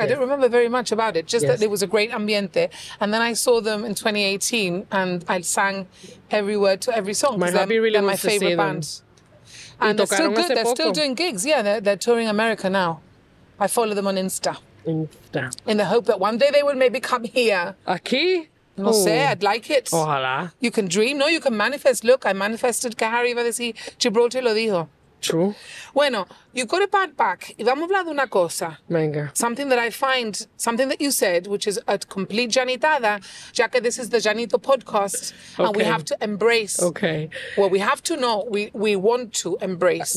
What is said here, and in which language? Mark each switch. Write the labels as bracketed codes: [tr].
[en] Yeah. I don't remember very much about it, just that it was a great ambiente. And then I saw them in 2018, and I sang every word to every song. My hubby really wants to see them. And they're still good. They're still doing gigs. Yeah, they're touring America now. I follow them on Insta. In the hope that one day they would maybe come here. [es] Aquí? No sé, [en] I'd like it. [es] Ojalá. [en] You can dream. No, you can manifest. Look, I manifested [es] que Harry iba a decir Gibraltar lo dijo. [en] True. [es] Bueno, [en] you've got a bad back. [es] Y vamos a hablar de una cosa. Venga. [en] Something that you said, which is a complete Janitada, [es] ya que [en] this is the Janito podcast, and we have to embrace. Okay. Well, we have to know, we want to embrace.